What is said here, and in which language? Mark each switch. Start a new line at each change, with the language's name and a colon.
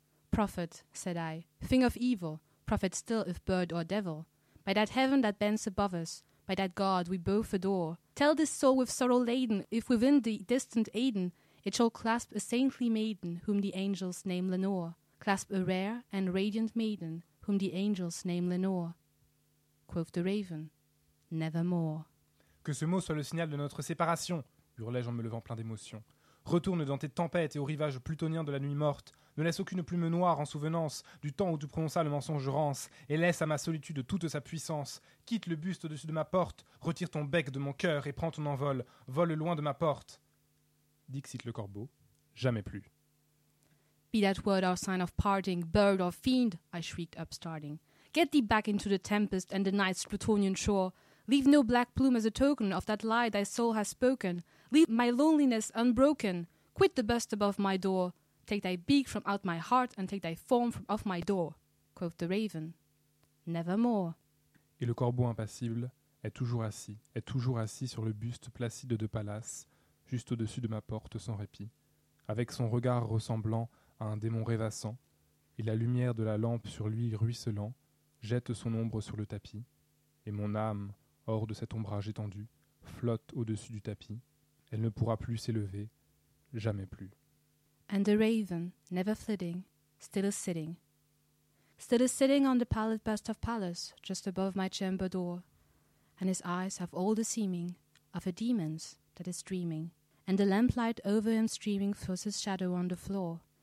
English: Prophet, said I, thing of evil, prophet still if bird or devil, by that heaven that bends above us, by that God we both adore, tell this soul with sorrow laden, if within the distant Aden it shall clasp a saintly maiden whom the angels name Lenore, clasp a rare and radiant maiden whom the angels name Lenore. Quoth the raven, nevermore.
French: Que ce mot soit le signal de notre séparation, hurlai-je en me levant plein d'émotion. Retourne dans tes tempêtes et aux rivages plutoniens de la nuit morte. Ne laisse aucune plume noire en souvenance du temps où tu prononças le mensonge rance et laisse à ma solitude toute sa puissance. Quitte le buste au-dessus de ma porte, retire ton bec de mon cœur et prends ton envol. Vole loin de ma porte. Dixit le corbeau, jamais plus.
English: Be that word our sign of parting, bird or fiend, I shrieked upstarting. Get thee back into the tempest and the night's plutonian shore. Leave no black plume as a token of that lie thy soul has spoken. Leave my loneliness unbroken. Quit the bust above my door. Take thy beak from out my heart and take thy form from off my door. Quoth the raven. Nevermore.
French: Et le corbeau impassible est toujours assis sur le buste placide de Pallas, juste au-dessus de ma porte sans répit, avec son regard ressemblant à un démon rêvassant, et la lumière de la lampe sur lui ruisselant, jette son ombre sur le tapis, et mon âme, hors de cet ombrage étendu, flotte au-dessus du tapis. Elle ne pourra plus s'élever, jamais plus.
English: And the raven, never flitting, still is sitting. Still is sitting on the pallid bust of Pallas, just above my chamber door. And his eyes have all the seeming of a demon's that is dreaming. And the lamplight over him streaming throws his shadow on the floor.